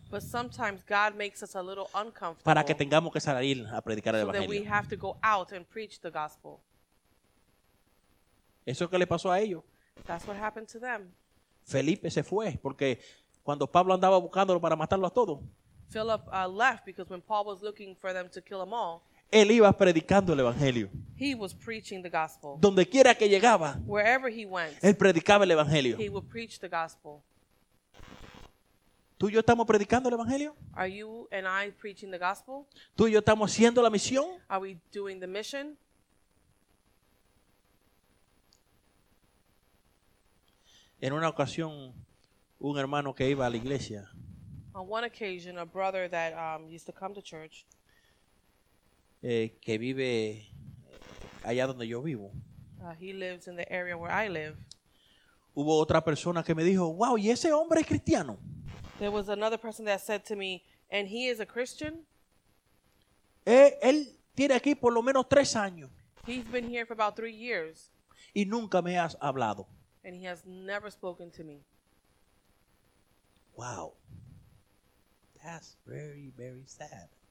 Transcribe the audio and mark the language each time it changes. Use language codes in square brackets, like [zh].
[en] But sometimes God makes us a little uncomfortable. [es] Para que tengamos que salir a predicar [en] so [es] el evangelio. [en] So that we have to go out and preach the gospel. [es] Eso es que le pasó a ellos. [en] That's what happened to them. [es] Felipe se fue porque cuando Pablo andaba buscándolo para matarlo a todos. [en] Philip left because when Paul was looking for them to kill them all, [es] él iba predicando el evangelio. [en] He was preaching the gospel. [es] Donde quiera que llegaba, [en] wherever he went, [es] él predicaba el evangelio. [en] He would preach the gospel. [es] ¿Tú y yo estamos predicando el evangelio? [en] Are you and I preaching the gospel? [es] ¿Tú y yo estamos haciendo la misión? [en] Are we doing the mission? [es] En una ocasión, un hermano que iba a la iglesia. [en] On one occasion, a brother that used to come to church. [es] Que vive allá donde yo vivo. [en] He lives in the area where I live. [es] Hubo otra persona que me dijo, wow, ¿y ese hombre es cristiano? [en] There was another person that said to me, and he is a Christian? [es] Él tiene aquí por lo menos 3 años. [en] He's been here for about 3 years. [es] Y nunca me has hablado. [en] And he has never spoken to me. Wow. That's very, very sad.